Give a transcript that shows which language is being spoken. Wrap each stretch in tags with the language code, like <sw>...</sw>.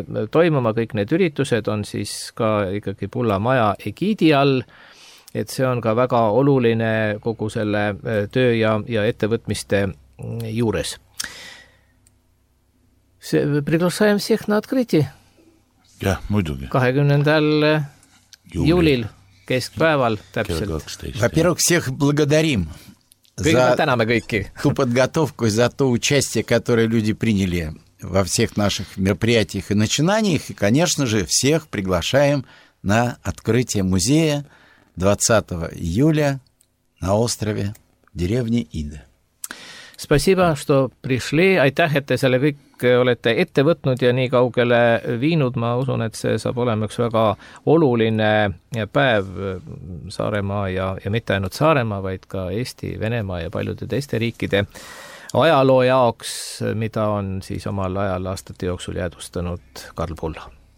<et>toimuma, kõik need üritused on siis ka ikkagi pulla maja egiidi all, et see on ka väga oluline kogu selle töö ja ettevõtmiste juures.</et> <ru>Приглашаем всех на открытие.</ru> <et>Jah, muidugi. 20. juulil, keskpäeval täpselt.</et> <ru>Во-первых, всех благодарим. Ту подготовку и за то участие, которое люди приняли во всех наших мероприятиях и начинаниях. И, конечно же, всех приглашаем на открытие музея 20 июля на острове деревни Ида. Спасибо, что пришли.</ru> <et>Aitäh, et te selle kõik olete ette võtnud ja nii kaugele viinud. Ma usun, et see saab olema üks väga oluline päev Saaremaa ja mitte ainult Saaremaa, vaid ka Eesti, Venemaa ja paljude teiste riikide ajaloo jaoks, mida on siis omal ajal aastate jooksul jäädustanud Karl Pulla.</et>